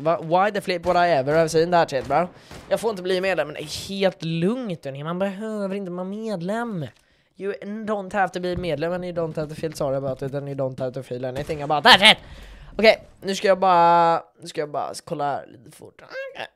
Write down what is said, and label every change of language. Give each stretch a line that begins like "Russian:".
English: Why the flip would I ever have seen that shit bro?
Swedish: Jag får inte bli medlem, men det är helt lugnt. Man behöver inte vara medlem.
English: You don't have to be medlem, and you don't have to feel sorry about it, and you don't have to feel anything about that shit.
Swedish: Okej, nu ska jag bara, kolla här lite fort. Okej.